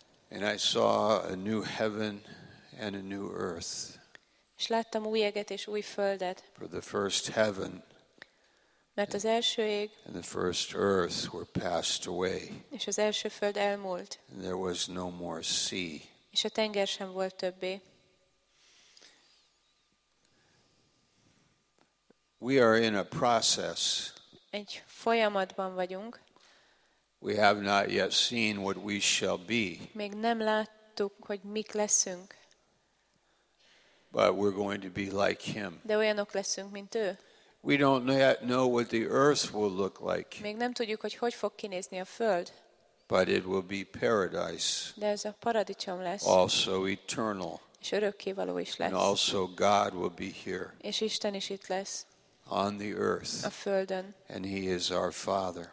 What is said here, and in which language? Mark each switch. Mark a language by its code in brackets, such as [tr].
[en] And I saw a new heaven and a new earth. [hu] És láttam új eget és új földet. [en] For the first heaven. [hu] Mert az első ég [en] and the first earth were passed away. [hu] És az első föld elmúlt. [en] And there was no more sea. [hu] És a tenger sem volt többé. [en] We are in a process. [hu] Egy folyamatban vagyunk. [en] We have not yet seen what we shall be. [hu] Még nem láttuk, hogy mik leszünk. [en] But we're going to be like him. [hu] De olyanok leszünk, mint ő. [en] We don't yet know what the earth will look like. [hu] Még nem tudjuk, hogy hogy fog kinézni a föld. [en] But it will be paradise. [hu] De ez a paradicsom lesz. [en] Also eternal. [hu] És örökkévaló is lesz. [en] And also God will be here. [hu] És Isten is itt lesz. [en] On the earth. [hu] A földön. [en] And he is our father.